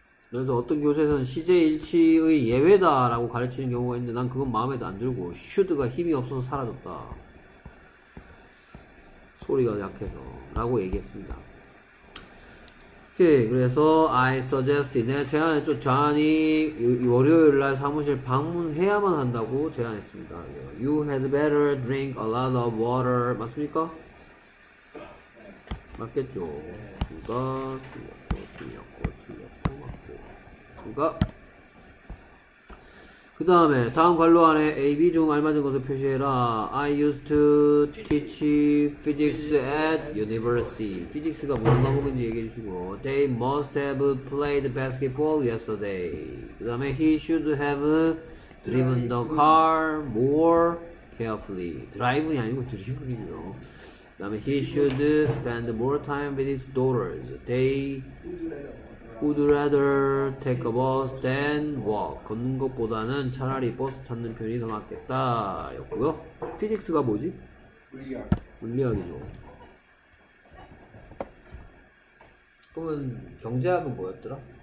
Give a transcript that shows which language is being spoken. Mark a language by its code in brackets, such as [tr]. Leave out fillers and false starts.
[ko] 그래서 어떤 교재에서는 시제 일치의 예외다라고 가르치는 경우가 있는데 난 그건 마음에도 안 들고 should가 힘이 없어서 사라졌다 소리가 약해서 라고 얘기했습니다. 오케이. 그래서 [en] I suggested [ko] 내 제안했죠. 존이 월요일날 사무실 방문해야만 한다고 제안했습니다. [en] You had better drink a lot of water. [ko] 맞습니까? 맞겠죠. 누가 틀렸고 틀렸고 틀렸고 그 다음에 다음 관로 안에 A, B 중 알맞은 것을 표시해라. [en] I used to teach physics at university. physics가 [ko] 뭔 과목인지 얘기해 주시고 [en] They must have played basketball yesterday. [ko] 그 다음에 [en] He should have driven the car more carefully. [ko] 드라이브는 아니고 드리븐이죠. 그 다음에 [en] He should spend more time with his daughters. They would rather take a bus than walk. [ko] 걷는 것보다는 차라리 버스 타는 편이 더 낫겠다. 였고요. 피직스가 뭐지? 물리학. 물리학이죠. 그러면 경제학은 뭐였더라?